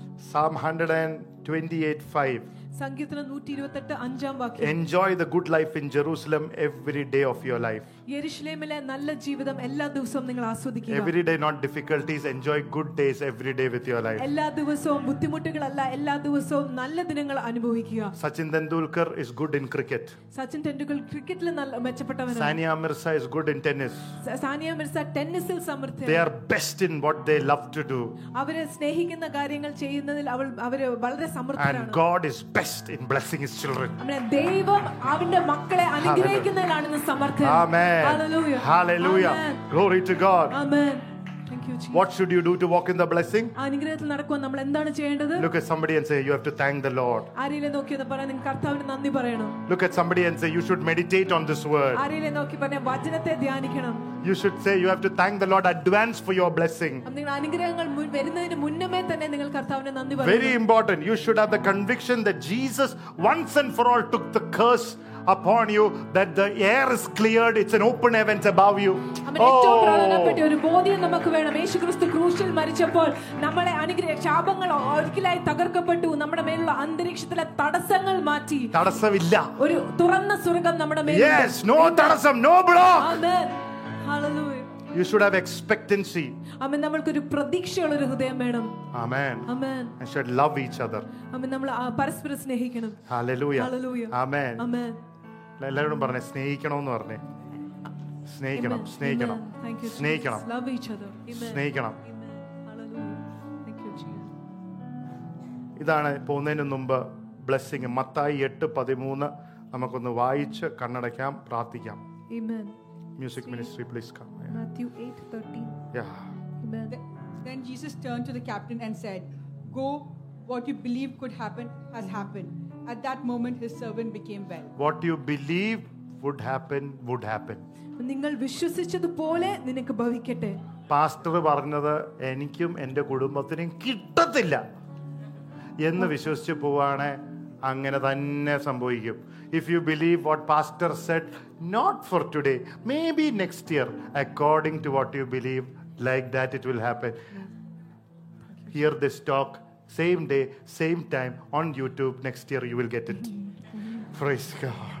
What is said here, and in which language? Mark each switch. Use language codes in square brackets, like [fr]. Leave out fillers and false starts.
[en] Psalm 128:5 Enjoy the good life in Jerusalem every day of your life. [ml] യെരുശലേമിലെ നല്ല ജീവിതം എല്ലാ ദിവസവും നിങ്ങൾ ആസ്വദിക്കുക. [en] Every day not difficulties, enjoy good days every day with your life. [ml] എല്ലാ ദിവസവും ബുദ്ധിമുട്ടുകളല്ല, എല്ലാ ദിവസവും നല്ല ദിനങ്ങൾ അനുഭവിക്കുക. [en] Sachin Tendulkar is good in cricket. [ml] Sachin Tendulkar ക്രിക്കറ്റിൽ നല്ല മെച്ചപ്പെട്ടവനാണ്. [en] Sania Mirza is good in tennis. [ml] Sania Mirza ടെന്നീസിൽ സമർത്ഥയാണ്. [en] They are best in what they love to do. [ml] അവരെ സ്നേഹിക്കുന്ന കാര്യങ്ങൾ ചെയ്യുന്നതിൽ അവൾ അവരെ വളരെ സമർത്ഥരാണ്. [en] And God is best in blessing his children. [ml] അമേ ദൈവം അവന്റെ മക്കളെ അനുഗ്രഹിക്കുന്നതിലാണ് സമർത്ഥൻ. ആമേൻ. [en] Hallelujah. Hallelujah. Amen. Glory to God. Amen. Thank you, Jesus. What should you do to walk in the blessing? [ml] അനുഗ്രഹത്തിൽ നടക്കാൻ നമ്മൾ എന്താണ് ചെയ്യേണ്ടത്? [en] Look at somebody and say you have to thank the Lord. [ml] ആരെയെങ്കിലും നോക്കി പറയണം നിങ്ങൾ കർത്താവിനെ നന്ദി പറയണം. [en] Look at somebody and say you should meditate on this word. [ml] ആരെയെങ്കിലും നോക്കി പറയണം വചനത്തെ ധ്യാനിക്കണം. [en] You should say you have to thank the Lord advance for your blessing. [ml] നിങ്ങൾ അനുഗ്രഹങ്ങൾ വരുന്നതിനു മുന്നമേ തന്നെ നിങ്ങൾ കർത്താവിനെ നന്ദി പറയണം. [en] Very important. You should have the conviction that Jesus once and for all took the curse upon you, that the air is cleared, it's an open heavens above you. [ml] Oh, ഒരു ബോധ്യം നമുക്ക് വേണം. യേശുക്രിസ്തു ക്രൂശിൽ മരിച്ചപ്പോൾ നമ്മുടെ ശാപങ്ങൾ ഒരിക്കലായി തകർക്കപ്പെട്ടു. നമ്മുടെ മേലുള്ള അന്തരീക്ഷത്തിലെ തടസ്സങ്ങൾ മാറ്റി. തടസ്സമില്ല, ഒരു തുറന്ന സ്വർഗം നമ്മുടെ മേൽ. [en] Yes, no തടസ്സം, no block. Amen. Hallelujah. You should have expectancy. Amen. [ml] നമ്മൾക്ക് ഒരു പ്രതീക്ഷയുള്ള ഒരു ഹൃദയം വേണം. [en] Amen. Amen. And should love each other. [ml] Amen. നമ്മൾ പരസ്പരം സ്നേഹിക്കണം. [en] Hallelujah. Hallelujah. Amen. Amen. [ml] എല്ലാവരും പറഞ്ഞു സ്നേഹിക്കണം എന്ന് പറഞ്ഞു. സ്നേഹിക്കണം, സ്നേഹിക്കണം. [en] Thank you. [ml] സ്നേഹിക്കണം. [en] Love each other. Amen. [ml] സ്നേഹിക്കണം. [en] Amen. [ml] ഇതാണ് പോകുന്നതിന് മുമ്പ് ബ്ലെസ്സിംഗ്. മത്തായി 8:13 നമുക്കൊന്ന് വായിച്ച് കണ്ണടയ്ക്കാം, പ്രാർത്ഥിക്കാം. [en] Amen. Music ministry, please come. Matthew 8:13. Yeah. Amen. Then Jesus turned to the captain and said, "Go, what you believe could happen has happened." At that moment his servant became well. What you believe would happen would happen. [ml] നിങ്ങൾ വിശ്വസിച്ചതുപോലെ നിനക്ക് ഭവിക്കട്ടെ. Pastor പറഞ്ഞത് എനിക്കും എന്റെ കുടുംബത്തിനും കിട്ടത്തില്ല എന്ന് വിശ്വസിച്ച് പോവാണേ അങ്ങനെ തന്നെ സംഭവിക്കും. [en] If you believe what pastor said, not for today, maybe next year, according to what you believe, like that it will happen. Hear this talk, same day, same time, on YouTube, next year you will get it. Praise God.